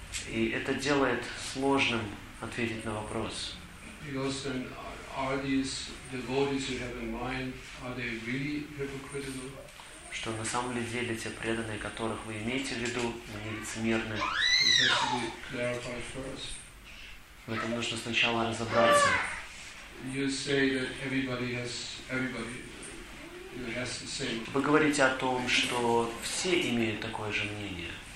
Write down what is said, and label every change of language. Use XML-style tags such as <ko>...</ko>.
<ru>И это делает сложным ответить на вопрос.</ru> <en>Because then, are these devotees you have in mind, are they really hypocritical?</en> <ru>Что на самом деле те преданные, которых вы имеете в виду, они лицемерны. В этом нужно сначала разобраться. Вы говорите о том, что все имеют такое же мнение.</ru>